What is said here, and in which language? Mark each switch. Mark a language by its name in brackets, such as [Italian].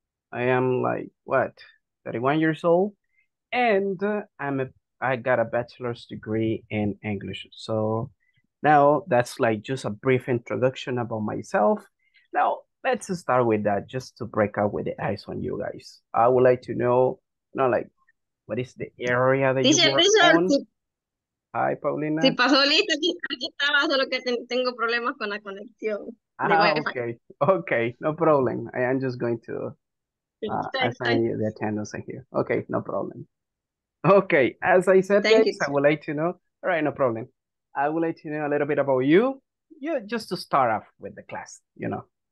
[English] I am like, what, 31 years old? And I got a bachelor's degree in English. So now that's like just a brief introduction about myself. Now, let's start with that, just to break up with the ice on you guys. I would like to know, you know, like, what is the area that you work on? Hi, Paulina. [Spanish] Si pasó listo, aquí estaba, solo que tengo problemas con la conexión. [English] Ah, okay. Okay, no problem. I am just going to assign you the attendance here. Okay, no problem. Okay, as I said, guys, I would like to know. All right, no problem. I would like to know a little bit about you. You just to start off with the class, you know.